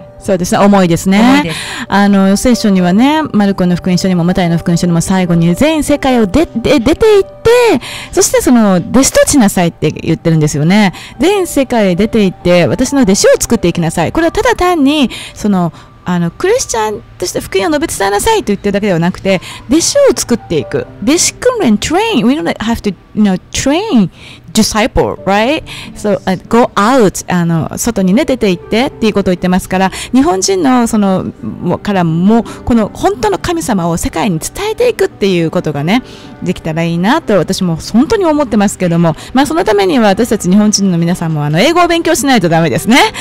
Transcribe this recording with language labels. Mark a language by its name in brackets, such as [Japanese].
[Japanese] そうですね、思いですね。聖書にはね、マルコの福音書にもマタイの福音書にも最後に全世界を出て行って、そしてその弟子としなさいって言ってるんですよね。全世界へ出て行って私の弟子を作っていきなさい。これはただ単にクリスチャンとして福音を述べ伝えなさいと言ってるだけではなくて、弟子を作っていく。弟子訓練、train. [English] We don't have to, you know, train disciple, right? So, go out. [Japanese] 外にね、出て行ってっていうことを言ってますから、日本人のその、からも、この本当の神様を世界に伝えていくっていうことがね、できたらいいなと私も本当に思ってますけども、まあそのためには私たち日本人の皆さんも英語を勉強しないとダメですね。